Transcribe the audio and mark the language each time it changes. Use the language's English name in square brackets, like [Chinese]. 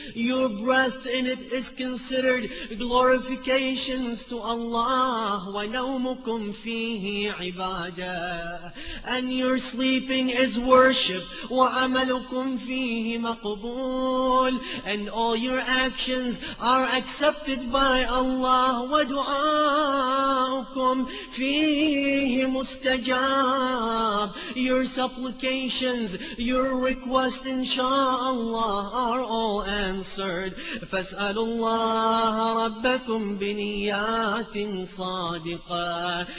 [English] Your breath in it is considered glorifications to Allah. [Arabic] ونومكم فيه عبادة. [English] And your sleeping is worship. [Arabic] وعملكم فيه مقبول. [English] And all your actions are accepted by [Arabic] الله ودعاؤكم فيه مستجاب. [English] Your supplications, your requests, inshallah, are all answered. [Arabic] فاسألوا الله ربكم بنيات صادقة.